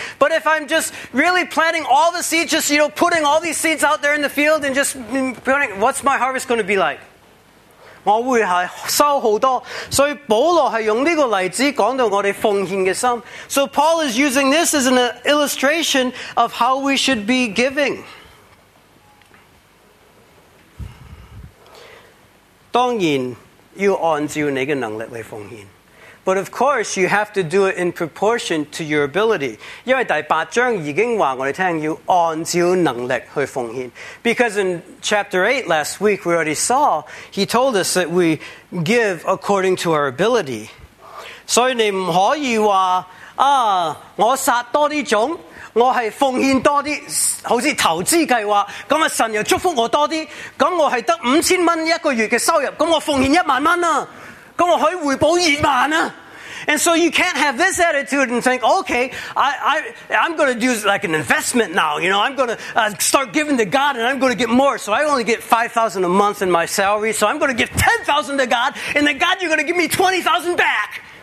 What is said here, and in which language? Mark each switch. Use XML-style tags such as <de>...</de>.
<en>But if I'm just really planting all the seeds, just you know, putting all these seeds out there in the field and just planting, what's my harvest going to be like？</en> <yue>我会系收好多，所以保罗系用呢个例子讲到我哋奉献嘅心。</yue> <en>So Paul is using this as an illustration of how we should be giving.</en> <yue>当然要按照你嘅能力嚟奉献。</yue> <en>But of course, you have to do it in proportion to your ability.</en> <yue>因为第八章已经话我哋听要按照能力去奉献。</yue> <en>Because in chapter 8 last week, we already saw, he told us that we give according to our ability.</en> <yue>所以你不可以说，啊，我杀多啲种，我是奉献多啲，好似投资计划，咁神又祝福我多啲，咁我是得5000蚊一个月嘅收入，咁我奉献10000蚊啊。咁我可以回报20000啊。</yue> <en>And so you can't have this attitude and think, okay, I'm going to do like an investment now. You know, I'm going to start giving to God and I'm going to get more. So I only get $5,000 a month in my salary. So I'm going to give $10,000 to God and then God, you're going to give me $20,000 back.</en>